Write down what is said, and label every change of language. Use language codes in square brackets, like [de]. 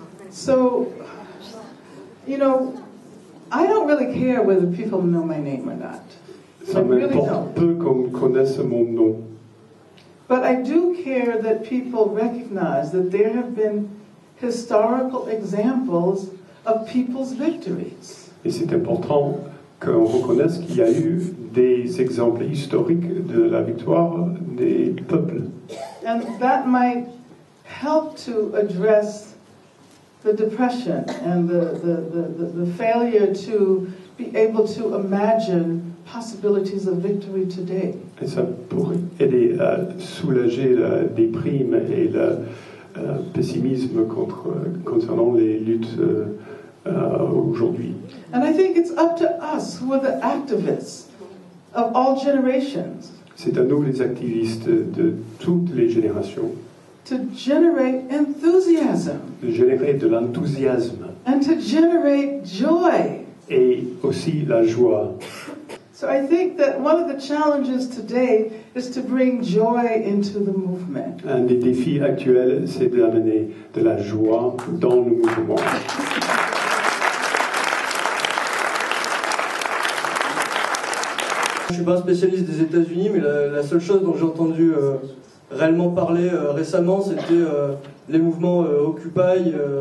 [en] So, you know, I don't really care whether people know my name or not. [fr] Ça m'importe peu qu'on connaisse mon nom. [en] But I do care that people recognize that there have been historical examples of people's victories. [fr] Et c'est important qu'on reconnaisse qu'il y a eu des exemples historiques de la victoire des peuples. [en] And that might help to address the depression and the failure to be able to imagine possibilities of victory today. [fr] Et ça pourrait aider à soulager la déprime et le pessimisme concernant les luttes aujourd'hui. [en] And I think it's up to us who are the activists of all generations. [fr] C'est à nous les activistes de toutes les générations. [en] To generate enthusiasm. [fr] De générer de l'enthousiasme. [en] And to generate joy. [fr] Et aussi la joie. [en] So I think that one of the challenges today is to bring joy into the movement. [fr] Un des défis actuels, c'est d'amener de la joie dans le mouvement. Je ne suis pas un spécialiste des États-Unis, mais la seule chose dont j'ai entendu réellement parler récemment, c'était les mouvements Occupy.